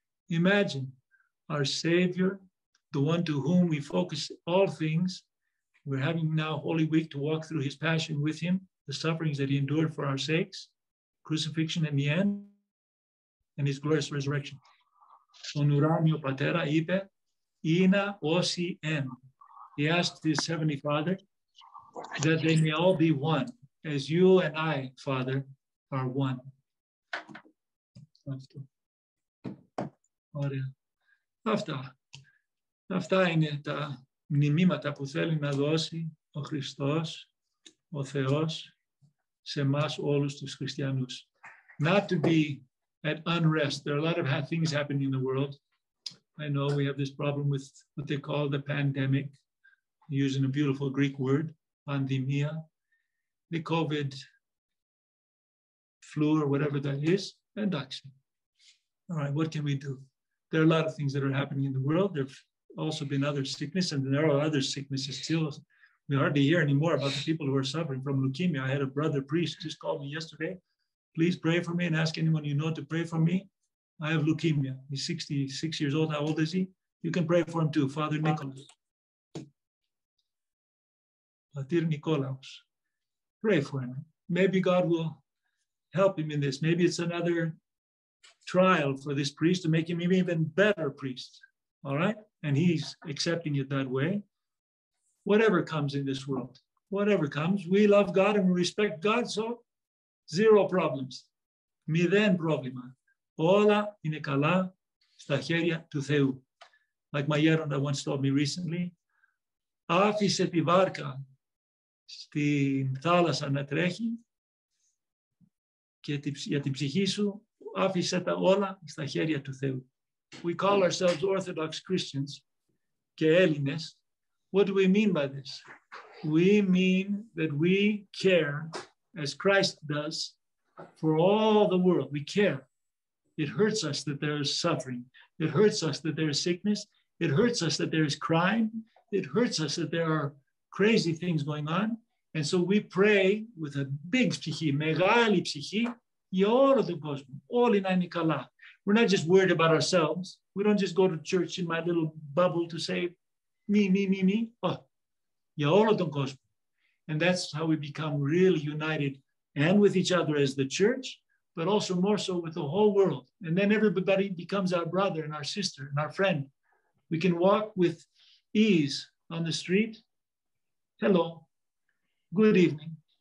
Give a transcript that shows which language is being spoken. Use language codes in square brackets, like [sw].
[en] Imagine our Savior, the one to whom we focus all things. We're having now Holy Week to walk through his passion with him, the sufferings that he endured for our sakes, crucifixion and the end, and his glorious resurrection. [el] Τον ουράνιο πατέρα είπε, Ina osi en. [en] He asked his Heavenly Father that they may all be one, as you and I, Father, are one. [el] Ωραία. Αυτά. Αυτά είναι τα μνημήματα που θέλει να δώσει ο Χριστός, ο Θεός, σε εμάς όλους τους χριστιανούς. [en] Not to be at unrest. There are a lot of things happening in the world. I know we have this problem with what they call the pandemic, using a beautiful Greek word, pandemia, the COVID flu or whatever that is, and action. All right, what can we do? There are a lot of things that are happening in the world. There have also been other sicknesses, and there are other sicknesses still. We hardly hear any more about the people who are suffering from leukemia. I had a brother priest just called me yesterday. Please pray for me and ask anyone you know to pray for me. I have leukemia. He's 66 years old. How old is he? You can pray for him too, Father Nicholas. Pater Nicholas. Pray for him. Maybe God will help him in this. Maybe it's another trial for this priest to make him an even better priest. All right? And he's accepting it that way. Whatever comes in this world, whatever comes, we love God and we respect God, so zero problems. [el] Miden problema. Όλα είναι καλά στα χέρια του Θεού. [en] Like my Gheronda once told me recently, [el] άφησε τη βάρκα στην θάλασσα να τρέχει και για την ψυχή σου άφησε τα όλα στα χέρια του Θεού. [en] We call ourselves Orthodox Christians [el] και Έλληνες. [en] What do we mean by this? We mean that we care, as Christ does, for all the world. We care. It hurts us that there is suffering. It hurts us that there is sickness. It hurts us that there is crime. It hurts us that there are crazy things going on. And so we pray with a big [el] ψυχή, μεγάλη ψυχή, για όλο τον κόσμο, όλοι να είναι καλά. [en] We're not just worried about ourselves. We don't just go to church in my little bubble to say, me. [el] Oh, για όλο τον κόσμο. [en] And that's how we become really united and with each other as the church, but also more so with the whole world. And then everybody becomes our brother and our sister and our friend. We can walk with ease on the street. Hello. Good evening.